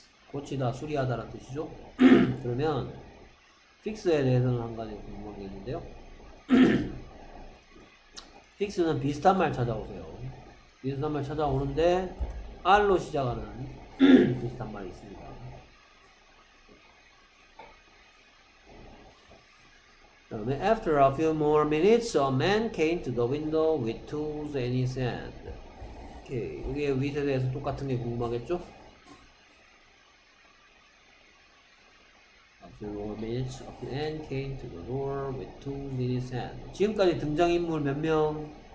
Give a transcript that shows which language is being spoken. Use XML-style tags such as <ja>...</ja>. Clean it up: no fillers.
<ko>고치다, 수리하다라는 뜻이죠? 그러면 fix에 대해서는 한 가지 궁금한 게 있는데요. fix는 비슷한 말 찾아오세요. 비슷한 말 찾아오는데 R로 시작하는 비슷한 말이 있습니다. 그다음에</ko> <en>after a few more minutes, a man came to the window with tools in his hand.</en> <ko>오케이, 이게 with에 대해서 똑같은 게 궁금하겠죠?</ko> <en>After a few more minutes, a man came to the door with tools in his hand.</en> <ko>지금까지 등장인물 몇 명?</ko>